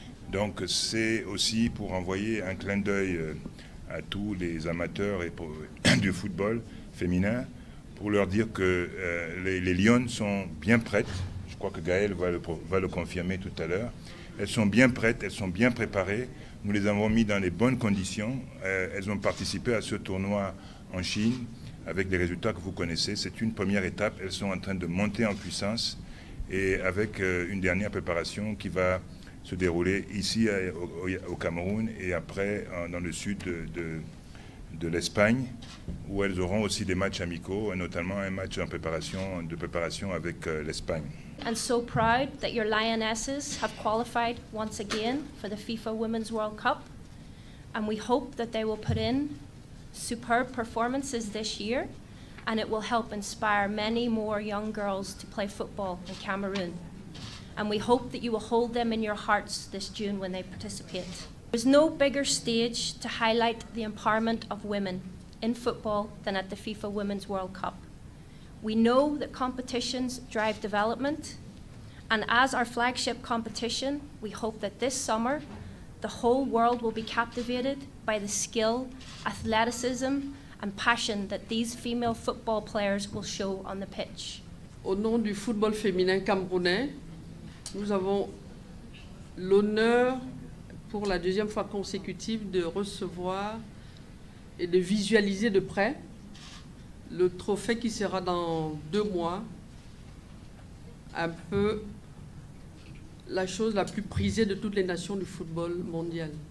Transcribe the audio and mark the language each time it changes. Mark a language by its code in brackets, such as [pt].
[fr] Donc c'est aussi pour envoyer un clin d'œil à tous les amateurs et du football féminin, pour leur dire que les Lions sont bien prêtes, je crois que Gaël va le confirmer tout à l'heure, elles sont bien prêtes, elles sont bien préparées, nous les avons mis dans les bonnes conditions, elles ont participé à ce tournoi en Chine avec les résultats que vous connaissez, c'est une première étape, elles sont en train de monter en puissance et avec une dernière préparation qui va se dérouler ici au Cameroun et après dans le sud de l'Espagne, où elles auront aussi des matchs amicaux, et notamment un match de préparation avec l'Espagne. [en] And so proud that your Lionesses have qualified once again for the FIFA Women's World Cup, and we hope that they will put in superb performances this year, and it will help inspire many more young girls to play football in Cameroon. And we hope that you will hold them in your hearts this June when they participate. There is no bigger stage to highlight the empowerment of women in football than at the FIFA Women's World Cup. We know that competitions drive development, and as our flagship competition, we hope that this summer the whole world will be captivated by the skill, athleticism, and passion that these female football players will show on the pitch. [fr] Au nom du football féminin camerounais, nous avons l'honneur pour la deuxième fois consécutive de recevoir et de visualiser de près le trophée qui sera dans deux mois un peu la chose la plus prisée de toutes les nations du football mondial.